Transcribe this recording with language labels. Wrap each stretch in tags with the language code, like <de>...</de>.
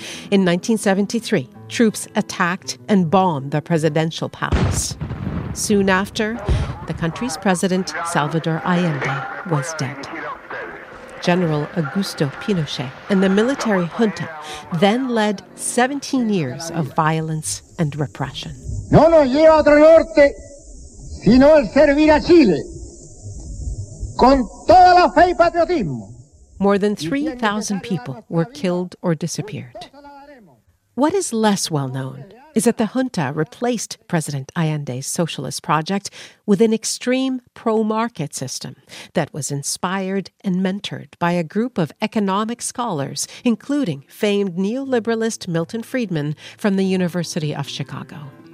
<en>In 1973, troops attacked and bombed the presidential palace. Soon after, the country's president, Salvador Allende, was dead. General Augusto Pinochet and the military junta then led 17 years of violence and repression.</en> <es>No nos lleva otro norte, sino el servir a Chile con toda la fe y patriotismo.</es> <en>More than 3,000 people were killed or disappeared. What is less well known is that the junta replaced President Allende's socialist project with an extreme pro-market system that was inspired and mentored by a group of economic scholars, including famed neoliberalist Milton Friedman from the University of Chicago.</en>